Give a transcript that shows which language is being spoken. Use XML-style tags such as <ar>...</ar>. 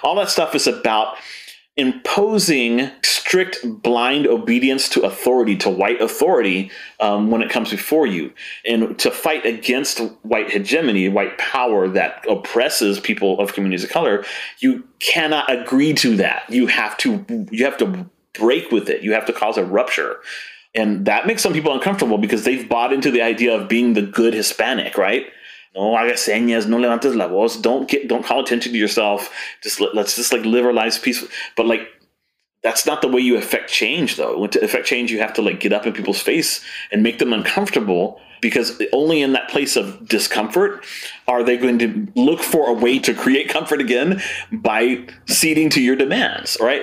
<en>All that stuff is about imposing strict blind obedience to authority, to white authority, when it comes before you, and to fight against white hegemony, white power that oppresses people of communities of color. You cannot agree to that. You have to break with it. You have to cause a rupture. And that makes some people uncomfortable because they've bought into the idea of being the good Hispanic, right?</en> <es>No hagas señas, no levantes la voz.</es> <en>Don't call attention to yourself. Let's just live our lives peacefully. But like, that's not the way you affect change, though. To affect change, you have to like get up in people's face and make them uncomfortable, because only in that place of discomfort are they going to look for a way to create comfort again by ceding to your demands, right?</en>